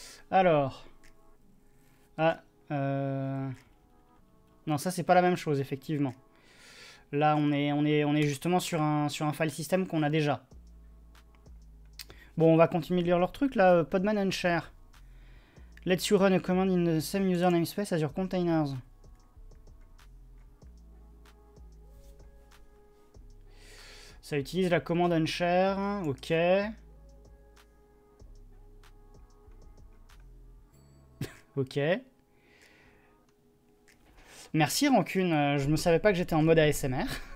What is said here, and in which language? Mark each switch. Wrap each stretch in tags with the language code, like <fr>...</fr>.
<fr>Alors. Ah. Non, ça, c'est pas la même chose, effectivement. Là, on est justement sur un file system qu'on a déjà. Bon, on va continuer de lire leur truc là.</fr> <en>Podman and share. Let's you run a command in the same user namespace as your containers.</en> <fr>Ça utilise la commande and share. Ok. Ok. Merci Rancune, je me savais pas que j'étais en mode ASMR.</fr>